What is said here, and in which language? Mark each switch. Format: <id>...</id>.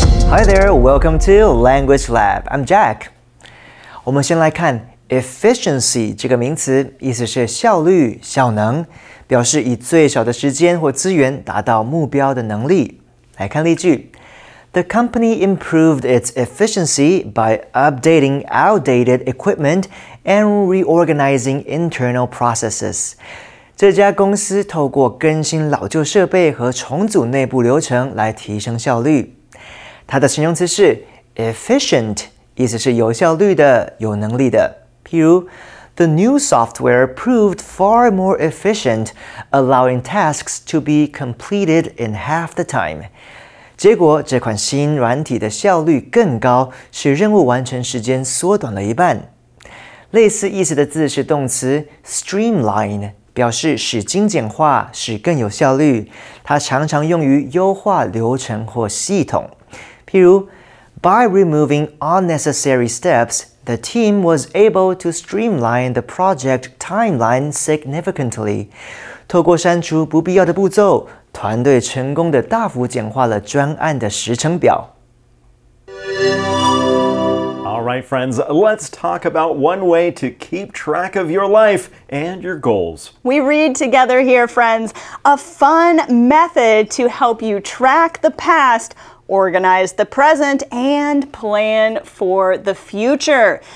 <en>Hi there, welcome to Language Lab. I'm Jack.</en> <zh>我们先来看Efficiency 这个名词，意思是效率、效能，表示以最小的时间或资源达到目标的能力。来看例句。</zh> <en>The company improved its efficiency by updating outdated equipment and reorganizing internal processes.</en> <zh>这家公司透过更新老旧设备和重组内部流程来提升效率。它的形容词是 efficient, 意思是有效率的、有能力的。譬如</zh> <en>The new software proved far more efficient, allowing tasks to be completed in half the time.</en> <zh>结果这款新软体的效率更高，使任务完成时间缩短了一半。类似意思的字是动词 streamline, 表示使精简化，使更有效率。它常常用于优化流程或系统。譬如</zh> <en>By removing unnecessary steps,The team was able to streamline the project timeline significantly.</en> <zh>透过删除不必要的步骤，团队成功地大幅简化了专案的时程表。</zh> <en>All right, friends, let's talk about one way to keep track of your life and your goals. We read together here, friends, a fun method to help you track the past,organize the present, and plan for the future.</en>